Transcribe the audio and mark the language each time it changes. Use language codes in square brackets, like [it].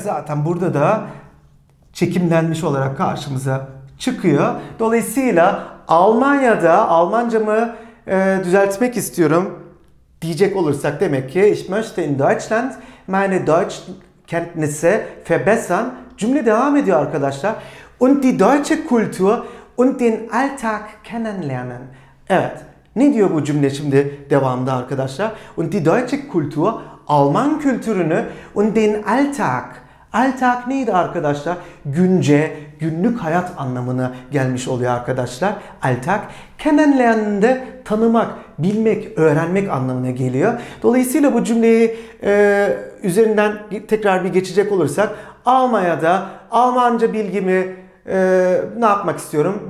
[tr] Zaten burada da çekimlenmiş olarak karşımıza çıkıyor. Dolayısıyla Almanya'da Almancamı düzeltmek istiyorum diyecek olursak demek ki [de] ich möchte in Deutschland meine Deutschkenntnisse verbessern. [tr] Cümle devam ediyor arkadaşlar. [de] Und die deutsche Kultur und den Alltag kennenlernen. [tr] Evet. Ne diyor bu cümle şimdi devamında arkadaşlar? [de] Und die deutsche Kultur, [tr] Alman kültürünü [de] und den Alltag. [tr] Alltag neydi arkadaşlar? Günce, günlük hayat anlamına gelmiş oluyor arkadaşlar. Alltag. Kennenlernen de tanımak, bilmek, öğrenmek anlamına geliyor. Dolayısıyla bu cümleyi üzerinden tekrar bir geçecek olursak, Almanya'da Almanca bilgimi ne yapmak istiyorum?